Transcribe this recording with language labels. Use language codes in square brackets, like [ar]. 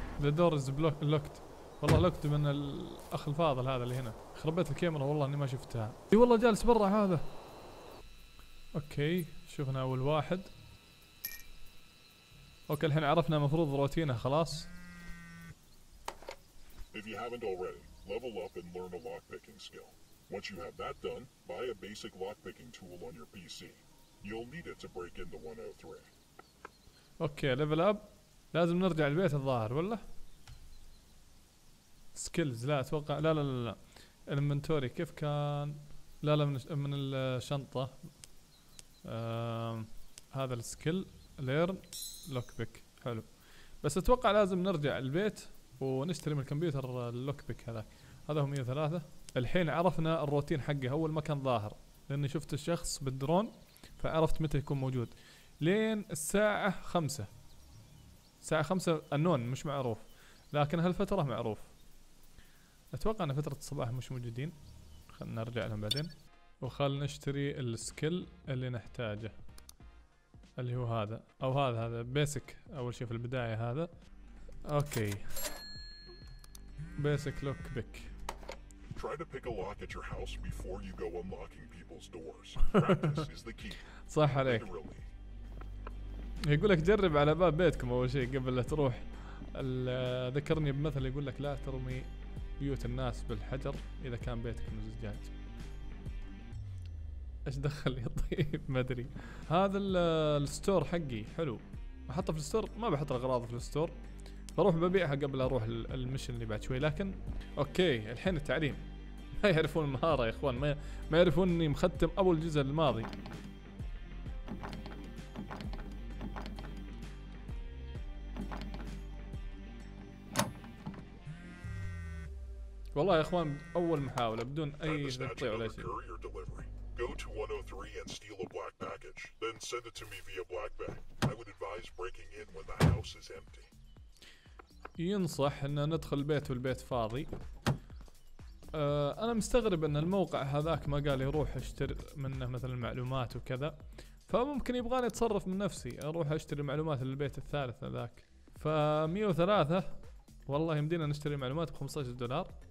[en] The door is locked. [ar] والله لوكت من الأخ الفاضل هذا اللي هنا. خربت الكاميرا والله إني ما شفتها. إي والله جالس برا هذا. أوكي شفنا أول واحد. أوكي الحين عرفنا مفروض روتينه خلاص. [en] If you haven't already, level up and learn a lockpicking skill. Once you have that done, buy a basic lockpicking tool on your PC. You'll need it to break into 103. [ar] اوكي ليفل اب لازم نرجع البيت الظاهر ولا سكيلز لا اتوقع لا لا لا لا الانفنتوري كيف كان لا لا من الشنطه هذا السكيل ليرن لوك بيك حلو بس اتوقع لازم نرجع البيت ونشتري من الكمبيوتر اللوك بيك هذاك هذا هو 103 الحين عرفنا الروتين حقه اول ما كان ظاهر لاني شفت الشخص بالدرون فعرفت متى يكون موجود لين الساعة 5 الساعة 5 النون مش معروف، لكن هالفترة معروف. أتوقع أن فترة الصباح مش موجودين، خلنا نرجع لهم بعدين. وخل نشتري السكيل اللي نحتاجه اللي هو هذا أو هذا، هذا بيسك أول شيء في البداية. هذا أوكي بيسك لوك بيك. [en] Try to pick a lock at your house before you go unlocking people's doors. Practice is the key. [ar] صح عليك. يقولك جرب على باب بيتكم أول شيء قبل لا تروح. ذكرني بمثل يقولك لا ترمي بيوت الناس بالحجر إذا كان بيتك من الزجاج. إيش دخل يا طيب؟ ما أدري. هذا الستور حقي حلو. أحطه في الستور، ما بحط الأغراض في الستور. بروح ببيعها قبل أروح المشن اللي بعد شوي. لكن أوكي الحين التعليم. ما يعرفون المهارة يا إخوان، ما يعرفون إني مختم أول جزء الماضي. والله يا إخوان أول محاولة بدون أي تقطيع ولا شيء. [en] Go to 103 and steal a black package. Then send it to me via black bag. I would advise breaking in when the house is empty. [ar] ينصح ان ندخل البيت والبيت فاضي. انا مستغرب ان الموقع هذاك ما قال يروح اشتري منه مثلا معلومات وكذا، فممكن يبغاني اتصرف من نفسي اروح اشتري معلومات للبيت الثالث هذاك. ف 103 والله يمدينا نشتري معلومات ب 15 دولار.